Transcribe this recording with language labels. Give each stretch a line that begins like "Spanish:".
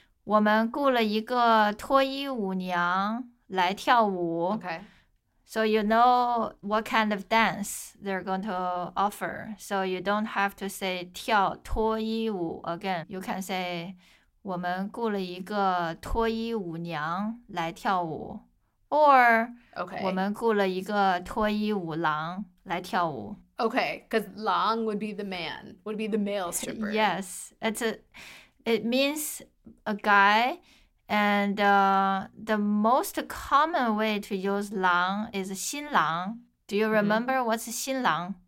Chinese: 我们雇了一个脱衣舞娘来跳舞。
English: Okay. So you know what kind of dance they're going to offer. So you don't have to say
Chinese: 跳脱衣舞
English: again. You can say
Chinese: 我们雇了一个脱衣舞娘来跳舞。Or 我
English: Okay.
Chinese: 们雇了一个脱衣舞郎来跳舞。
English: Okay, because Lang would be the man, would be the male stripper. Yes, it means a guy, and the most common way to use lang is 新郎. Do you remember what's 新郎?